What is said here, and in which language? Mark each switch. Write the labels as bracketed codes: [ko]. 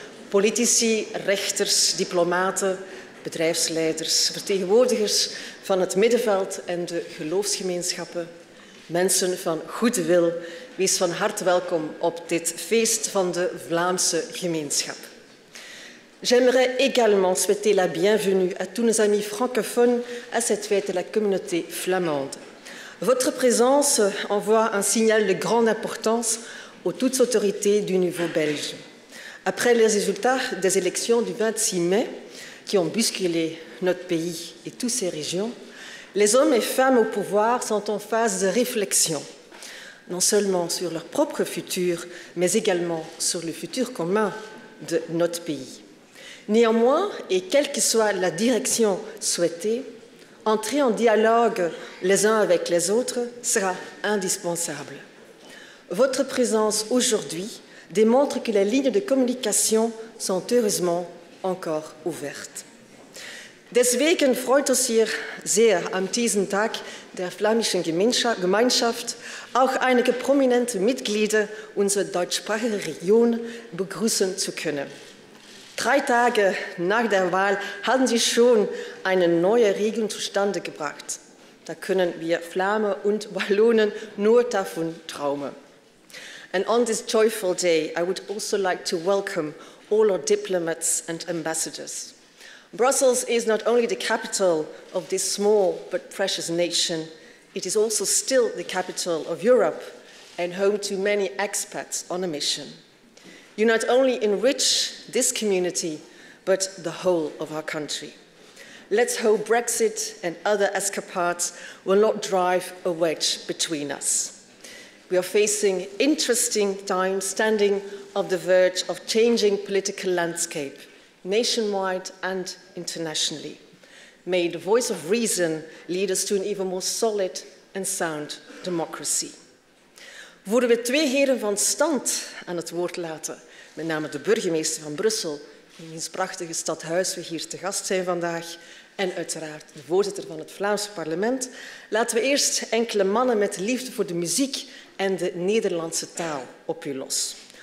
[nl] Politici, rechters, diplomaten, bedrijfsleiders, vertegenwoordigers van het middenveld en de geloofsgemeenschappen. Mensen van goede wil, wees van harte welkom op dit feest van de Vlaamse gemeenschap. [fr] J'aimerais également souhaiter la bienvenue à tous nos amis francophones à cette fête de la communauté flamande. Votre présence envoie un signal de grande importance aux toutes autorités du niveau belge. Après les résultats des élections du 26 mai, qui ont bousculé notre pays et toutes ses régions, les hommes et femmes au pouvoir sont en phase de réflexion, non seulement sur leur propre futur, mais également sur le futur commun de notre pays. Néanmoins, et quelle que soit la direction souhaitée, entrer en dialogue les uns avec les autres sera indispensable. Votre présence aujourd'hui démontre que les lignes de communication sont heureusement encore ouvertes. [de] Deswegen freut es hier sehr am diesem Tag der flamischen Gemeinschaft auch einige prominente Mitglieder unserer deutschsprachigen Region begrüßen zu können. Drei Tage nach der Wahl haben sie schon eine neue Regelung zustande gebracht. Da können wir Flamen und Wallonen nur davon träumen. [en] And on this joyful day, I would also like to welcome all our diplomats and ambassadors. Brussels is not only the capital of this small but precious nation, it is also still the capital of Europe and home to many expats on a mission. You not only enrich this community, but the whole of our country. Let's hope Brexit and other escapades will not drive a wedge between us. We are facing interesting times, standing on the verge of changing political landscape, nationwide and internationally. May the voice of reason lead us to an even more solid and sound democracy. [nl] Voeren we twee heren van stand aan het woord laten, met name de burgemeester van Brussel, in ons prachtige stadhuis we hier te gast zijn vandaag, en uiteraard de voorzitter van het Vlaamse parlement, laten we eerst enkele mannen met liefde voor de muziek en de Nederlandse taal op u los.